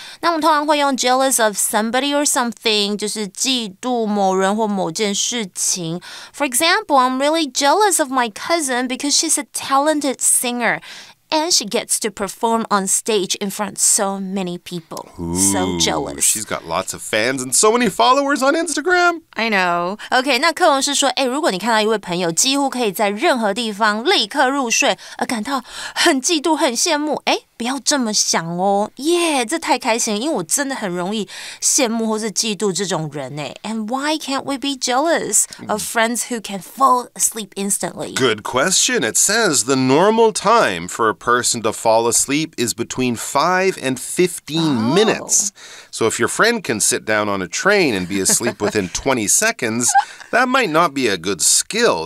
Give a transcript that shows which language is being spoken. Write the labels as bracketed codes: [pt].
[zh] 那我们通常会用 [en] jealous of somebody or something, [zh] 就是嫉妒某人或某件事情。 [en] For example, I'm really jealous of my cousin because she's a talented singer. And she gets to perform on stage in front of so many people. Ooh, so jealous. She's got lots of fans and so many followers on Instagram. I know. [zh] Okay, 那课文是说，如果你看到一位朋友几乎可以在任何地方立刻入睡，而感到很嫉妒、很羡慕，不要这么想哦。 Yeah, 这太开心了，因为我真的很容易羡慕或是嫉妒这种人诶。 [en] And why can't we be jealous of friends who can fall asleep instantly? Good question. It says the normal time for a person to fall asleep is between 5 and 15 minutes. So if your friend can sit down on a train and be asleep within 20 seconds, that might not be a good skill.